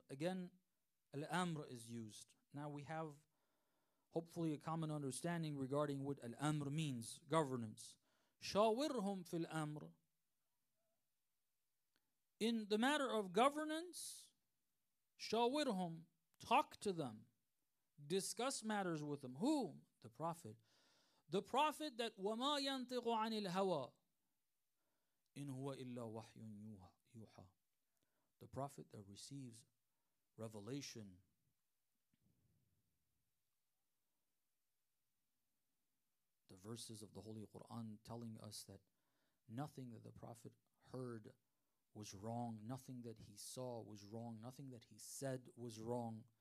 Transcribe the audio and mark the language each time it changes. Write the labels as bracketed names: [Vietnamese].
[English] Again, Al-Amr is used. Now we have, hopefully, a common understanding regarding what Al-Amr means, governance. [Arabic] شَاوِرْهُمْ فِي الْأَمْرِ. [English] In the matter of governance, shawirhum, talk to them, discuss matters with them. Who? The Prophet. The Prophet that [Arabic] وَمَا يَنْتِقُ عَنِ الْهَوَىٰ إِنْ هُوَ إِلَّا وَحْيٌ يُوحَىٰ. [English] The Prophet that receives revelation. The verses of the Holy Quran telling us that nothing that the Prophet heard was wrong, nothing that he saw was wrong, nothing that he said was wrong.